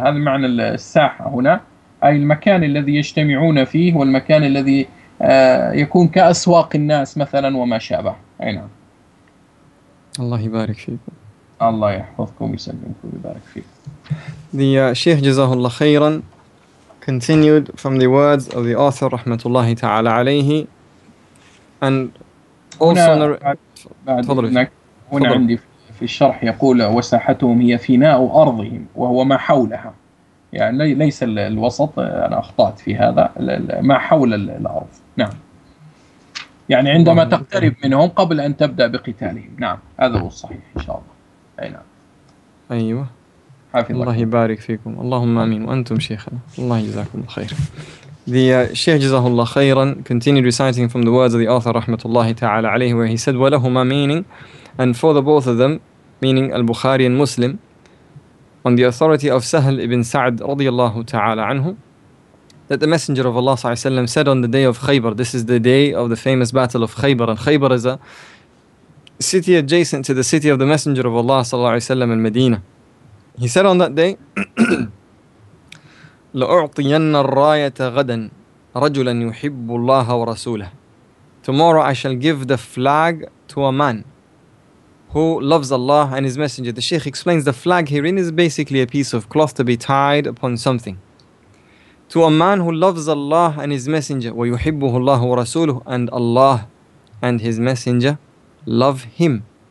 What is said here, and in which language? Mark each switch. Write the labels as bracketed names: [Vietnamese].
[Arabic] هذا معنى الساحة هنا، أي المكان الذي يجتمعون فيه، والمكان الذي يكون كأسواق الناس مثلا وما شابه. أي نعم. الله يبارك فيكم. الله يحفظكم ويسلمكم ويبارك فيكم. دي شيخ جزاه الله خيرا. [English] Continued from the words of the author rahmatullahi ta'ala alayhi. And also [Arabic] هنا عندي في الشرح يقول وساحتهم هي فناء أرضهم وهو ما حولها، يعني ليس الوسط، أنا أخطأت في هذا، ما حول الأرض. نعم، يعني عندما تقترب منهم قبل أن تبدأ بقتالهم. نعم، هذا هو الصحيح إن شاء الله. أي نعم. أيوة، الله يبارك فيكم. اللهم آمين. وأنتم شيخنا، الله يجزاكم الخير. [English] The Sheikh [Arabic] جزاه الله خيرا [English] continued reciting from the words of the author [Arabic] رحمة الله تعالى عليه, [English] where he said ولهما meaning, and for the both of them, meaning البخاري and Muslim, on the authority of سهل ابن سعد [Arabic] رضي الله تعالى عنه, [English] that the Messenger of Allah صلى الله عليه وسلم said on the day of Khaybar, this is the day of the famous battle of Khaybar, and Khaybar is a city adjacent to the city of the Messenger of Allah صلى الله عليه وسلم in Medina. He said on that day, [Arabic] لَأُعْطِيَنَّ الرَّايَةَ غَدًا رَجُلًا يُحِبُّ اللَّهَ وَرَسُولَهُ. [English] Tomorrow I shall give the flag to a man who loves Allah and His Messenger. The Sheikh explains the flag herein is basically a piece of cloth to be tied upon something. To a man who loves Allah and His Messenger, [Arabic] وَيُحِبُّهُ اللَّهُ وَرَسُولُهُ, [English] and Allah and His Messenger love him.